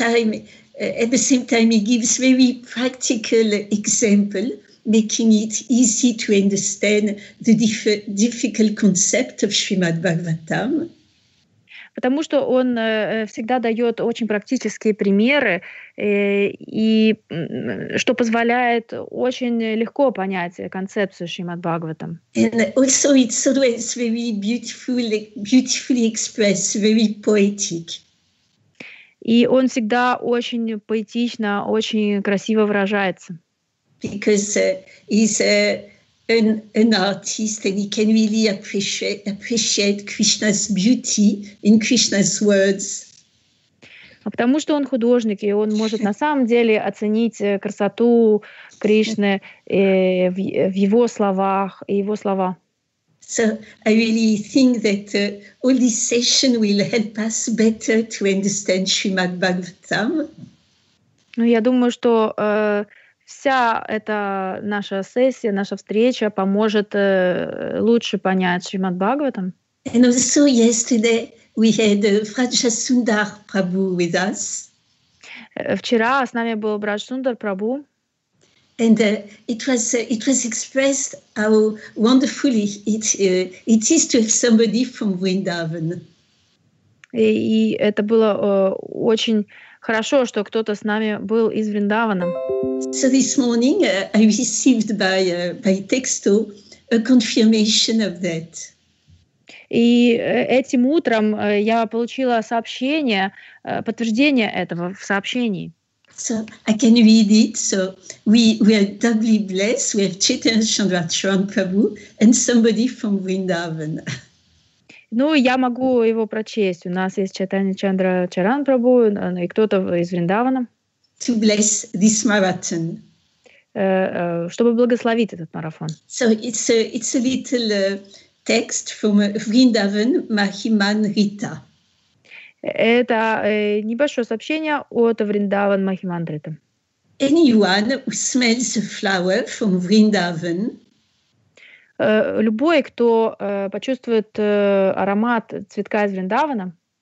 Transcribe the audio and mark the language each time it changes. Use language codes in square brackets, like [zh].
[en] Because at the same time he gives very practical example, making it easy to understand the difficult concept of Shrimad Bhagavatam. [ru] Потому что он всегда дает очень практические примеры, и что позволяет очень легко понять концепцию Шримад Бхагаватам. [en] And also it's always very beautifully expressed, very poetic. [ru] И он всегда очень поэтично, очень красиво выражается. [en] Because he's an artist, and he can really appreciate Krishna's beauty in Krishna's words. [ru] А потому что он художник, и он может на самом деле оценить красоту Кришны в его словах и его слова. [en] So I really think that all this session will help us better to understand Srimad Bhagavatam. [ru] Ну, я думаю, что вся эта наша сессия, наша встреча поможет лучше понять Шримад Бхагаватам. [en] And also yesterday we had Rajasundar Prabhu with us. [ru] Вчера с нами был брат Сундар Прабу. [en] And it was expressed how wonderfully it is to have somebody from Vrindavan. [ru] И это было очень хорошо, что кто-то с нами был из Вриндавана. [en] So this morning I received by texto a confirmation of that. [ru] И этим утром я получила сообщение, подтверждение этого в сообщении. [en] So I can read it. So we are doubly blessed. We have Chaitanya Chandrachuran Prabhu and somebody from Vrindavan. [ru] Ну, я могу его прочесть. У нас есть Чайтанья Чандрачаран Прабху и кто-то из Вриндавана. [en] To bless this marathon. [ru] Чтобы благословить этот марафон. [en] So it's a little text from Vrindavan Mahiman Rita. [ru] Это небольшое сообщение от Вриндаван Махимандрита. [en] Anyone who smells a flower from Vrindavan. [ru] Любой, кто почувствует аромат цветка из Вриндавана,